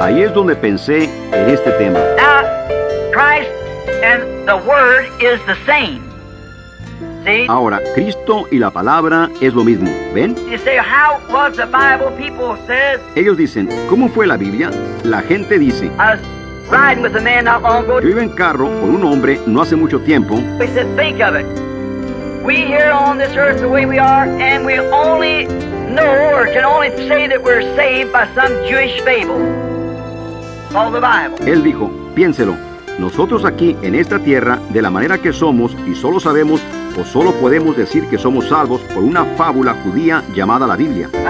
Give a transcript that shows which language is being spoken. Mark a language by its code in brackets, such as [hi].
[es] Ahí es donde pensé en este tema. [en] Now, Christ and the Word is the same. See? [es] Ahora, Cristo y la palabra es lo mismo, ¿ven? [en] You say, how was the Bible people said? [es] Ellos dicen, ¿cómo fue la Biblia? La gente dice, [en] riding with a man not long ago. [es] Yo iba en carro con un hombre no hace mucho tiempo. [en] He said, think of it. We here on this earth the way we are, and we only know or can only say that we're saved by some Jewish fable called the Bible. [es] Él dijo, piénselo. Nosotros aquí en esta tierra, de la manera que somos, y solo sabemos o solo podemos decir que somos salvos por una fábula judía llamada la Biblia.